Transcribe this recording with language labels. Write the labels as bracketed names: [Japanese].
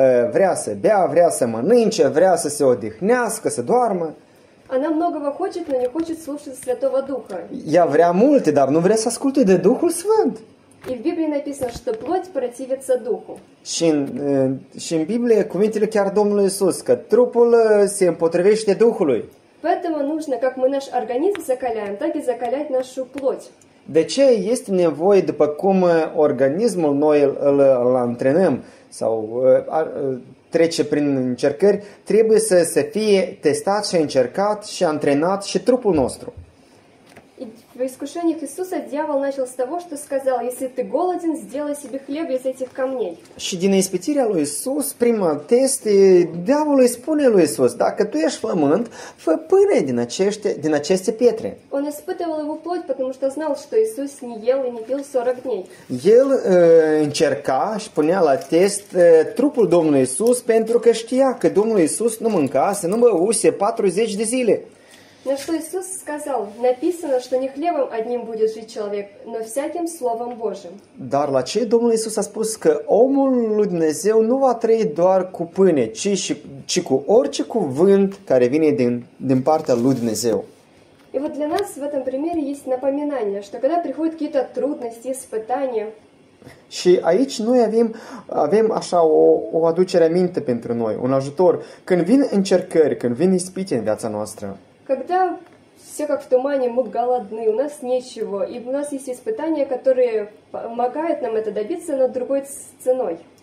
[Romanian] Vrea să bea, vrea să mănânce, vrea să se odihnească, să doarmă. [Russian] Она многого хочет, но не хочет слушать Святого Духа. [Romanian] Ea vrea multe, dar nu vrea să asculte de Duhul Sfânt. [Russian] И в Библии написано, что плоть противится духу. [Romanian] Și în Biblie cuvintele chiar Domnul Iisus, că trupul se împotrivește Duhului. [Russian] Поэтому нужно, как мы наш организм закаляем, так и закалять нашу плоть. [Romanian] De ce este nevoie, după cum organismul noi îl antrenăm sau trece prin încercări, trebuie să se fie testat și încercat și antrenat și trupul nostru. [Russian] В искушениях Иисуса дьявол начал с того, что сказал, если ты голоден, сделай себе хлеб из этих камней. [Romanian] Și din ispitirea lui Iisus, prima test, diavolul îi spune lui Iisus, dacă tu ești flământ, fă pâine din aceste pietre. [Russian] Он испытывал его плоть, потому что знал, что Иисус не ел и не пил 40 дней. [Romanian] El încerca și punea la test trupul Domnului Iisus, pentru că știa că Domnul Iisus nu mâncase, nu băuse 40 de zile. [Russian] На что Иисус сказал, написано, что не хлебом одним будет жить человек, но всяким словом Божьим. [Romanian] Dar la ce Domnul Iisus a spus că omul lui Dumnezeu nu va trăi doar cu pâine, ci cu orice cuvânt care vine din partea lui Dumnezeu. [Russian] И вот для нас в этом примере есть напоминание, что когда приходят какие-то трудности, испытания. [Romanian] Și aici noi avem așa o aducere aminte pentru noi, un ajutor. Când vin încercări, când vin ispite în viața noastră, [Russian] когда все как в тумане, мы голодны, у нас нечего, и у нас есть испытания, которые помогают нам это добиться, но другой ценой.